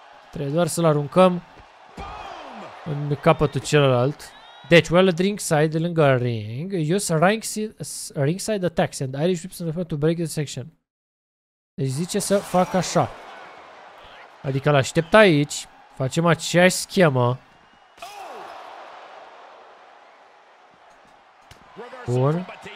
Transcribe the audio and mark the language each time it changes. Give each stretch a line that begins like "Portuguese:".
Romanian: Trebuie doar să-l aruncăm în capătul celălalt. Deci,
English: while at ringside,
Romanian: lângă ring,
English: use ringside attacks and Irish whips to break the section.
Romanian: Deci zice să fac așa. Adică l-aștept aici, facem aceeași schemă. Bun.